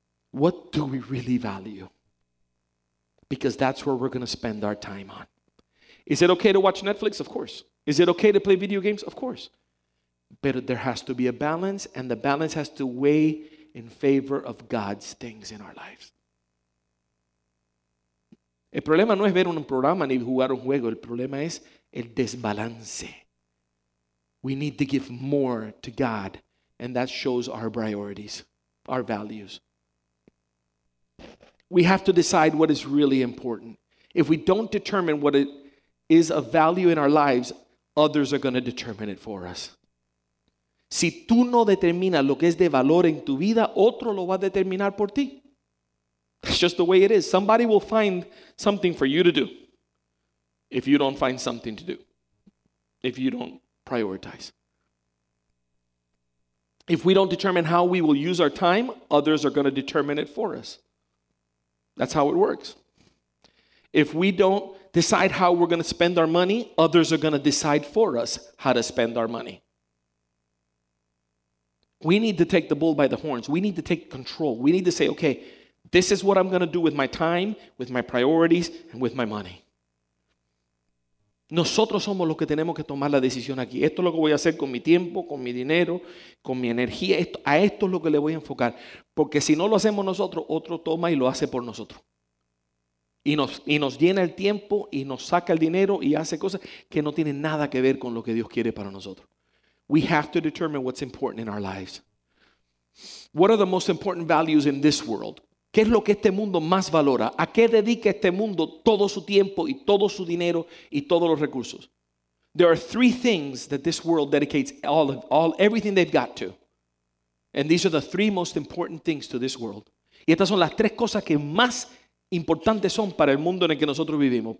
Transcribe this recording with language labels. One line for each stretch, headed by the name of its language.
English: What do we really value? Because that's where we're going to spend our time on. Is it okay to watch Netflix? Of course. Is it okay to play video games? Of course. But there has to be a balance, and the balance has to weigh in favor of God's things in our lives.
Spanish: El problema no es ver un programa ni jugar un juego. El problema es el desbalance.
English: We need to give more to God, and that shows our priorities, our values. We have to decide what is really important. If we don't determine what it is of value in our lives, others are going to determine it for us.
Spanish: Si tú no determinas lo que es de valor en tu vida, otro lo va a determinar por ti.
English: That's just the way it is. Somebody will find something for you to do if you don't find something to do, if you don't prioritize. If we don't determine how we will use our time, others are going to determine it for us. That's how it works. If we don't decide how we're going to spend our money, others are going to decide for us how to spend our money. We need to take the bull by the horns. We need to take control. We need to say, okay, this is what I'm going to do with my time, with my priorities, and with my money.
Spanish: Nosotros somos los que tenemos que tomar la decisión aquí. Esto es lo que voy a hacer con mi tiempo, con mi dinero, con mi energía. Esto, a esto es lo que le voy a enfocar. Porque si no lo hacemos nosotros, otro toma y lo hace por nosotros. Y nos llena el tiempo y nos saca el dinero y hace cosas que no tienen nada que ver con lo que Dios quiere para nosotros.
English: We have to determine what's important in our lives. What are the most important values in this world?
Spanish: ¿Qué es lo que este mundo más valora? ¿A qué dedica este mundo todo su tiempo y todo su dinero y todos los recursos?
English: There are three things that this world dedicates everything they've got to. And these are the three most important things to this world.
Spanish: Y estas son las tres cosas que más importantes son para el mundo en el que nosotros vivimos.